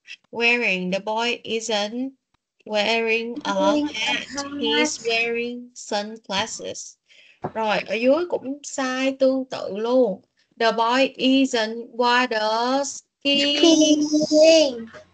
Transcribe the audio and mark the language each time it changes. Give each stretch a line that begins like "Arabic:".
English: Wearing, the boy isn't wearing a hat. He's wearing sunglasses.
Vietnamese: Rồi, ở dưới cũng sai tương tự luôn.
English: The boy isn't water skiing.